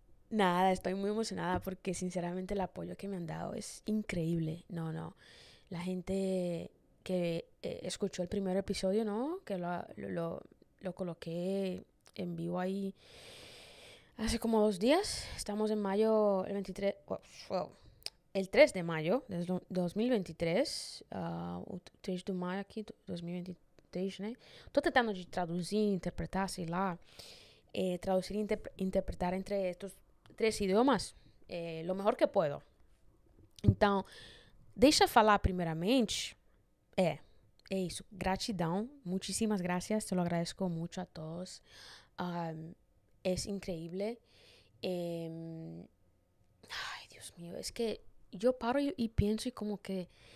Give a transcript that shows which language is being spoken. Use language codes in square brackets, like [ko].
[pt] Nada, estou muito emocionada porque, sinceramente, o apoio que [es] me han dado [pt] é incrível. Não, não. [es] La gente que escuchó el primer episodio, ¿no? Que lo coloqué en vivo ahí hace como 2 días. Estamos en mayo, el 23, el 3 de mayo de 2023. 3 de mayo aquí, 2023, ¿no? Estoy tratando de traducir, interpretar, así la. Traducir, interpretar entre estos tres idiomas lo mejor que puedo. [pt] Entonces, deixa eu falar primeiramente, é isso, gratidão, muitíssimas graças, eu agradeço muito a todos, é incrível, ai, Deus meu, é que eu paro e penso e como que